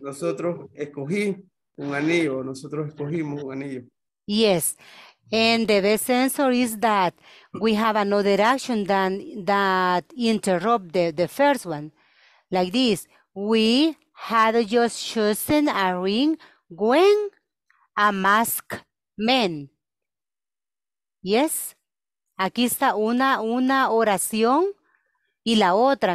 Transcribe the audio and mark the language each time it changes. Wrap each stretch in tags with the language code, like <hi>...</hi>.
<es>Nosotros escogí un anillo, nosotros escogimos un anillo.</es> <en>Yes. And the best answer is that we have another action that interrupt the first one. Like this, we had just chosen a ring when a masked man.</en> <es>Yes, aquí está una oración y la otra.</es>